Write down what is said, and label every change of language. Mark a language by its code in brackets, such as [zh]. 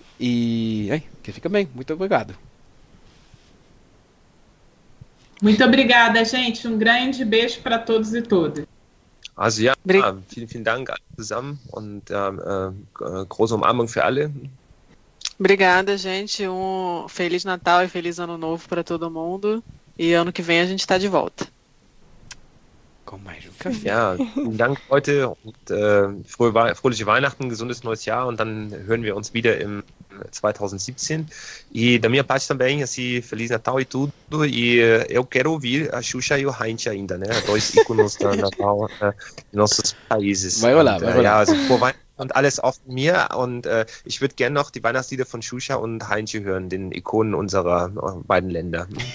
[pt] E aí, que fica bem. Muito obrigado. Muito obrigada, gente. Um grande beijo para todos e todas. [de] Also ja, vielen, vielen Dank alle zusammen und große Umarmung für alle. [pt] Obrigada, gente. Feliz Natal e feliz Ano Novo para todo mundo. E ano que vem a gente está de volta. [de] Komm mal, du Kaffee. Ja, vielen Dank, Leute. Und fröhliche Weihnachten, gesundes neues Jahr. Und dann hören wir uns wieder im 2017. [pt] E da minha parte também, assim, Feliz Natal e tudo. E eu quero ouvir a Xuxa e o Heinz ainda, né? Dois ícones da Natal de nossos países. Vai lá, vai lá. [de] Ja, also frohe Weihnachten und alles auf mir. Und ich würde gerne noch die Weihnachtslieder von Xuxa und Heinz hören, den Ikonen unserer beiden Länder.